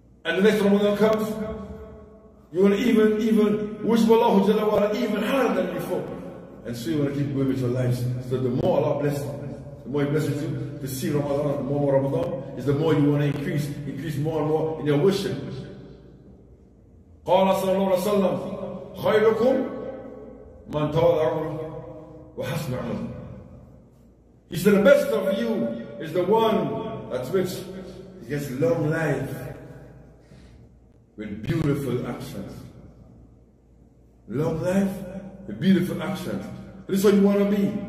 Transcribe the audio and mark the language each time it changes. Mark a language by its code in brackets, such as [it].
[en] And the next Ramadan comes, you will even worship Allah Jalla wa'ala even harder than before. And so you want to keep going with your lives. So the more Allah blesses, the more He blesses you to see Ramadan, the more Ramadan is, the more you want to increase more and more in your worship. [ar] قال صلى الله عليه وسلم خيركم من تواضع وحسن عمله. [en] He said, the best of you is the one at which he gets long life with beautiful actions. Long life with beautiful actions. This is what you want to be.